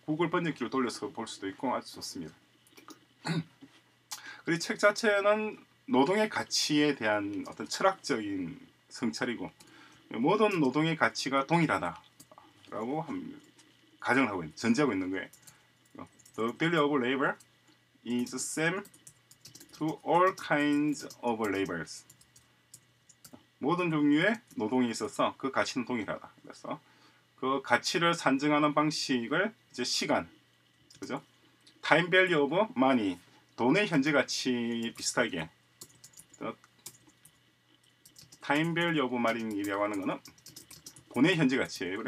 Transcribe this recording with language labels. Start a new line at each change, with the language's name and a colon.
Korean: 구글 번역기를 돌려서 볼 수도 있고 아주 좋습니다. 그리고 책 자체는 노동의 가치에 대한 어떤 철학적인 성찰이고, 모든 노동의 가치가 동일하다라고 가정을 하고 전제하고 있는 거예요.
English: The value of labor is the same to all kinds of labors.
Korean: 모든 종류의 노동에 있어서 그 가치는 동일하다. 그래서 그 가치를 산정하는 방식을 이제 시간, 그죠? Time value of money, 돈의 현재 가치 비슷하게 Time value of money라고 하는 거는 돈의 현재 가치예요.